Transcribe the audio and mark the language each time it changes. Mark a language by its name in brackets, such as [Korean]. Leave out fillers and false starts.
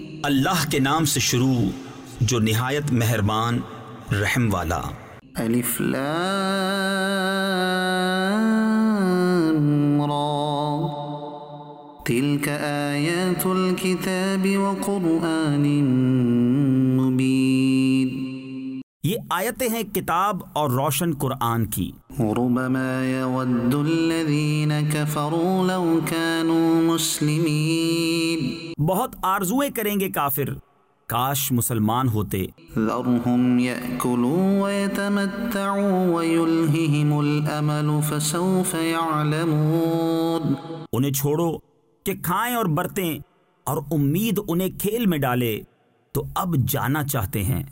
[Urdu] اللہ کے نام سے شروع جو نہایت مہربان رحم والا [Arabic] الف لام را تلک آیات الکتاب وقرآن مبین [Urdu] یہ آیتیں ہیں کتاب اور روشن قرآن کی [Arabic] ربما يود الذين كفروا لو كانوا مسلمين [Urdu] بہت آرزوئیں کریں گے کافر کاش مسلمان ہوتے [Arabic] ذرهم يأكلوا ويتمتعوا ويلههم الأمل فسوف يعلمون [Urdu] انہیں چھوڑو کہ کھائیں اور برتیں اور امید انہیں کھیل میں ڈالے تو اب جانا چاہتے ہیں